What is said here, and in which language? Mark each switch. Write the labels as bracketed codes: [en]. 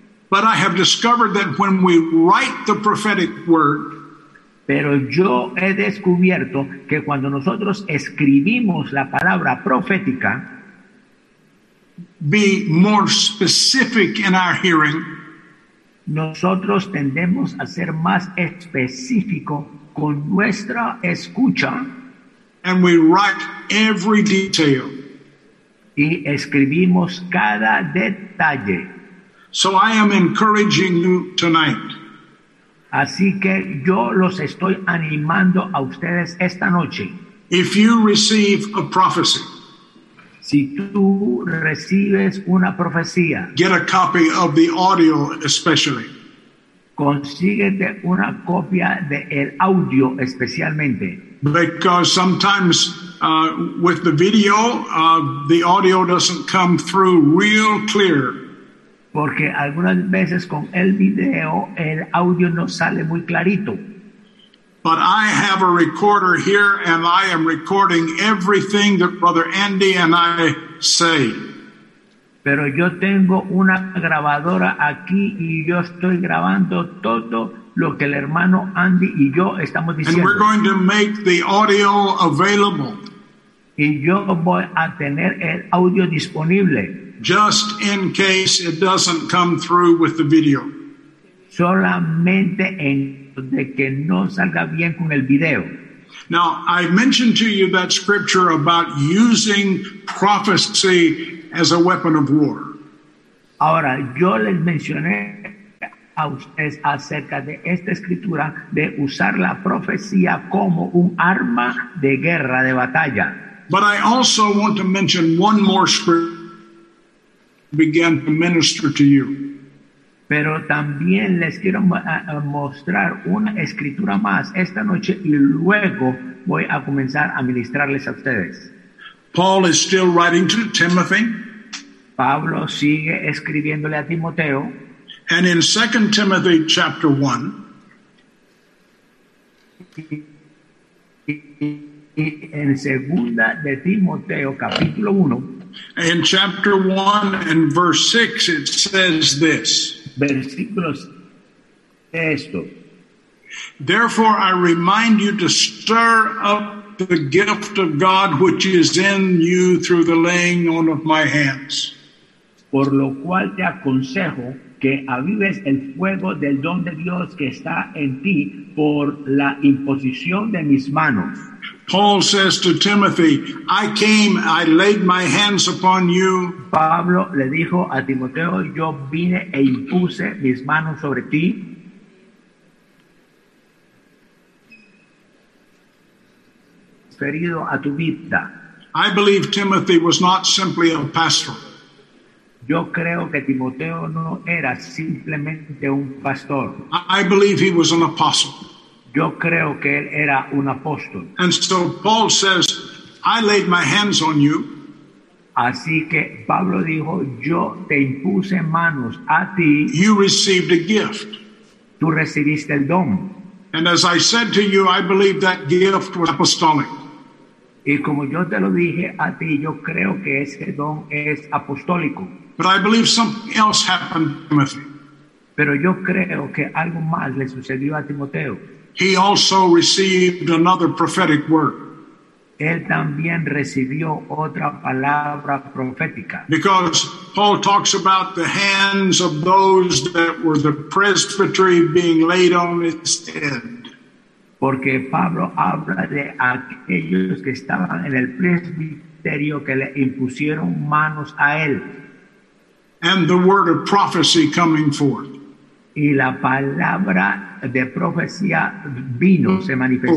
[en] But I have discovered that when we write the prophetic word, [es] pero yo he descubierto que cuando nosotros escribimos la palabra profética, [en] be more specific in our hearing, [es] nosotros tendemos a ser más específico con nuestra escucha, [en] and we write every detail, [es] y escribimos cada detalle. [en] So I am encouraging you tonight. [es] Así que yo los estoy animando a ustedes esta noche. [en] If you receive a prophecy, [es] si tú recibes una profecía, [en] get a copy of the audio especially. [es] Consíguete una copia de el audio especialmente. [en] Because sometimes with the video, the audio doesn't come through real clear. [es] Porque algunas veces con el video, el audio no sale muy clarito. [en] But I have a recorder here and I am recording everything that Brother Andy and I say. [es] Pero yo tengo una grabadora aquí y yo estoy grabando todo lo que el hermano Andy y yo estamos diciendo. [en] And we're going to make the audio available. [es] Y yo voy a tener el audio disponible. [en] Just in case it doesn't come through with the video. [es] Solamente en de que no salga bien con el video. [en] Now, I mentioned to you that scripture about using prophecy as a weapon of war. [es] Ahora, yo les mencioné a ustedes acerca de esta escritura de usar la profecía como un arma de guerra, de batalla. [en] But I also want to mention one more scripture. Began to minister to you. [es] Pero también les quiero mostrar una escritura más esta noche y luego voy a comenzar a ministrarles a ustedes. [en] Paul is still writing to Timothy. [es] Pablo sigue escribiéndole a Timoteo. [en] And in 2 Timothy chapter 1. [es] En 2 de Timoteo capítulo 1. [en] In chapter 1 and verse 6, it says this. [es] Versículos esto. [en] Therefore, I remind you to stir up the gift of God which is in you through the laying on of my hands. [es] Por lo cual te aconsejo que avives el fuego del don de Dios que está en ti por la imposición de mis manos. [en] Paul says to Timothy, I came, I laid my hands upon you. [es] Pablo le dijo a Timoteo, yo vine e impuse mis manos sobre ti. Ferido a tu vida. [en] I believe Timothy was not simply a pastor. [es] Yo creo que Timoteo no era simplemente un pastor. [en] I believe he was an apostle. [es] Yo creo que él era un apóstol. [en] And so Paul says, I laid my hands on you. [es] Así que Pablo dijo, yo te impuse manos a ti. [en] You received a gift. [es] Tú recibiste el don. [en] And as I said to you, I believe that gift was apostolic. [es] Y como yo te lo dije a ti, yo creo que ese don es apostólico. [en] But I believe something else happened to Timothy. [es] Pero yo creo que algo más le sucedió a Timoteo. [en] He also received another prophetic word. [es] Él también recibió otra palabra profética. [en] Because Paul talks about the hands of those that were the presbytery being laid on his head. [es] Porque Pablo habla de aquellos que estaban en el presbiterio que le impusieron manos a él. [en] And the word of prophecy coming forth. [es] Y la palabra de profecía vino, se manifestó.